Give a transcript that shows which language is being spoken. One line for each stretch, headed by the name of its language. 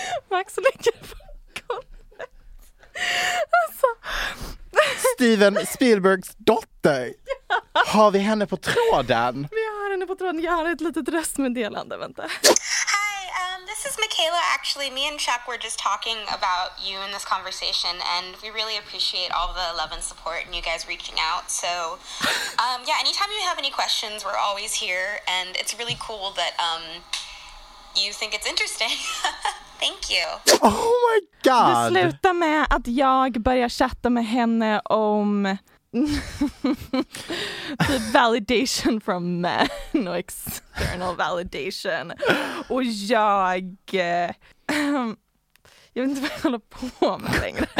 Swedish: Max ligger på golvet. Alltså. Steven Spielbergs dotter. Ja. Har vi henne på tråden? Vi har henne på tråden. Jag har ett litet röstmeddelande, vänta.
English: Hi, this is Michaela. Actually, me and Chuck were just talking about you in this conversation, and we really appreciate all the love and support and you guys reaching out. So, yeah, anytime you have any questions, we're always here, and it's really cool that you think it's interesting. Thank you. Oh my god.
Swedish: Det slutar med att jag börjar chatta med henne om
English: the validation from men
Swedish: och
English: external validation.
Swedish: Och jag jag vet inte vad jag håller på med längre.